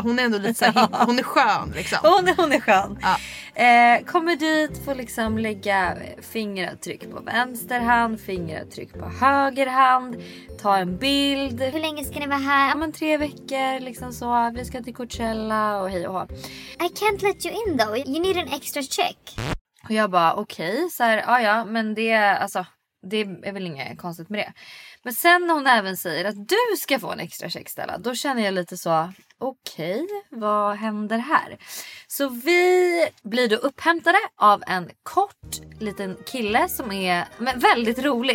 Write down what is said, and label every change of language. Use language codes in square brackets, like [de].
[sv] Hon är ändå lite så här, hon är skön liksom. Hon är skön. Ja. Kommer dit, får liksom lägga fingeravtryck på vänster hand, fingeravtryck på höger hand, ta en bild. Hur länge ska ni vara här? Ja men 3 veckor liksom så. Vi ska till Coachella och hej och [en] ha. I can't let you in though. You need an extra check. [sv] Och jag bara okej, okay, så här, ja, men det alltså Det är väl inget konstigt med det. Men sen när hon även säger att du ska få en extra checkställa, då känner jag lite så, okej, vad händer här? Så vi blir då upphämtade av en kort liten kille som är, men väldigt rolig.